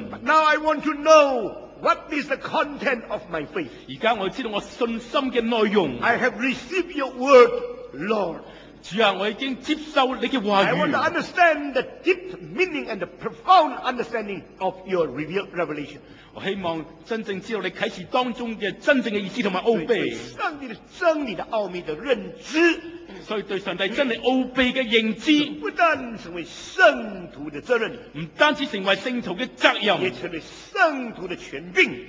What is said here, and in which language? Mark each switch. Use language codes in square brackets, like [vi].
[en] But now I want to knowWhat is the content of my faith? [zh] 现在我知道我信心的内容。 [en] I have received your word, Lord. [zh] 主啊，我已经接受你的话语。 [en] I want to understand the deep meaning and the profound understanding of your revealed revelation。 [zh] 我希望真正知道你启示当中的真正的意思和奥秘。对上帝的真理的奥秘的认知。所以对上帝真理奥秘的认知，不但成为圣徒的责任，不单止成为圣徒的责任，也成为圣徒的权柄，